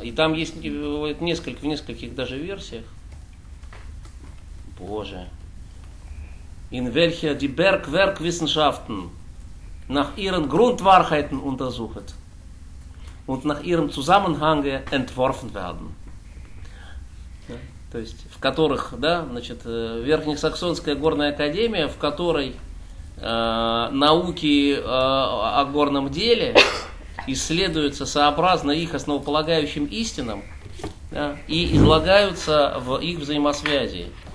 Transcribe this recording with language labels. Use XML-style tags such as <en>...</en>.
<ru>И там есть в нескольких даже версиях. Боже.</ru> <de>In welche die Bergwerkwissenschaften nach ihren Grundwahrheiten untersucht und nach ihrem Zusammenhang entworfen werden.</de> <ru>Да? То есть, в которых, да, значит, Верхнесаксонская горная академия, в которой науки о горном деле исследуются сообразно их основополагающим истинам, да, и излагаются в их взаимосвязи.</ru>